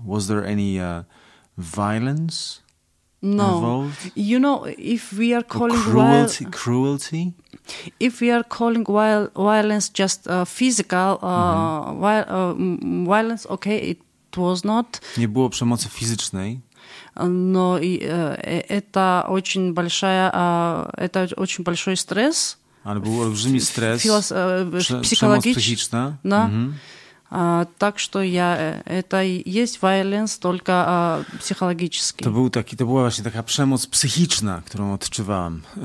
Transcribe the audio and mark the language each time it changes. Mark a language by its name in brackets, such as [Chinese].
[English] Was there any violence? No, involved? You know, if we are calling cruelty, if we are calling violence just physical, violence, okay, it was not. [Polish] Nie było przemocy fizycznej. No i [Russian] это очень большой стресс. [Polish] Ale był olbrzymi stres. Psychologiczna. No. [Russian] Так что я это есть violence только психологически. [Polish] To była właśnie taka przemoc psychiczna, którą odczuwałam.